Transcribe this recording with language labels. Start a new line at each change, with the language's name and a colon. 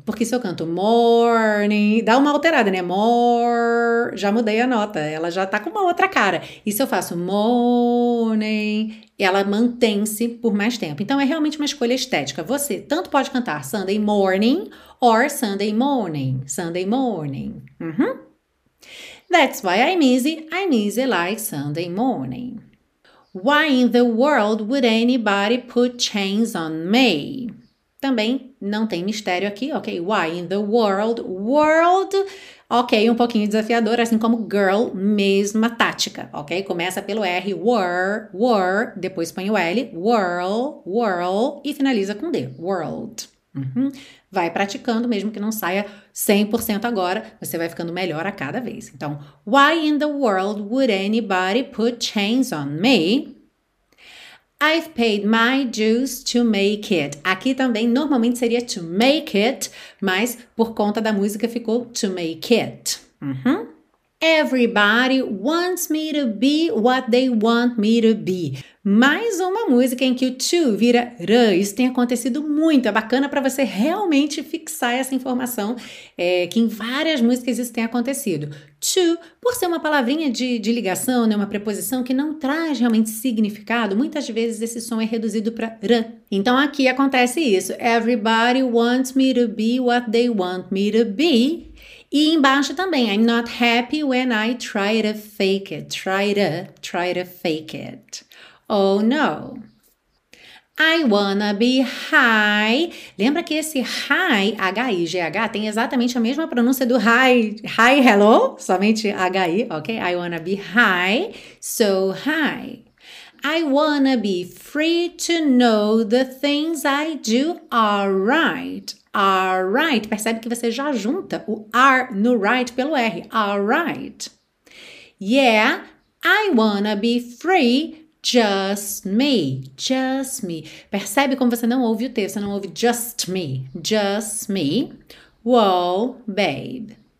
Portuguese: Porque se eu canto morning, dá uma alterada, né? More, já mudei a nota, ela já tá com uma outra cara. E se eu faço morning, ela mantém-se por mais tempo. Então, é realmente uma escolha estética. Você tanto pode cantar
English: Sunday morning or Sunday morning. Sunday morning. That's why I'm easy like Sunday morning. Why in the world would anybody put chains on me?
Portuguese: Também não tem mistério aqui, ok?
English: Why in the world, world,
Portuguese: ok, um pouquinho desafiador, assim como girl, mesma tática, ok? Começa pelo R, were, were, depois põe o L, world, world, e finaliza com D, world. Vai praticando, mesmo que não saia 100% agora, você vai ficando melhor a cada vez.
English: Então, why in the world would anybody put chains on me? I've paid my dues to make it.
Portuguese: Aqui também normalmente seria
English: to make it,
Portuguese: mas por conta da música ficou to make it.
English: Everybody wants me to be what they want me to be.
Portuguese: Mais uma música em que o to vira ra. Isso tem acontecido muito. É bacana para você realmente fixar essa informação que em várias músicas isso tem acontecido. To, por ser uma palavrinha de ligação, né, uma preposição que não traz realmente significado, muitas vezes esse som é reduzido para ra. Então aqui acontece isso.
English: Everybody wants me to be what they want me to be.
Portuguese: E embaixo também,
English: I'm not happy when I try to fake it, try to fake it. Oh, no. I wanna be high.
Portuguese: Lembra que esse high, H-I-G-H, tem exatamente a mesma pronúncia do hi, hello, somente H-I, ok?
English: I wanna be high, so high. I wanna be free to know the things I do are right. Are right.
Portuguese: Percebe que você já junta o are no right pelo R.
English: Are right. Yeah, I wanna be free Just me, just me.
Portuguese: Percebe como você não ouve o T, você não ouve
English: just me, whoa, babe.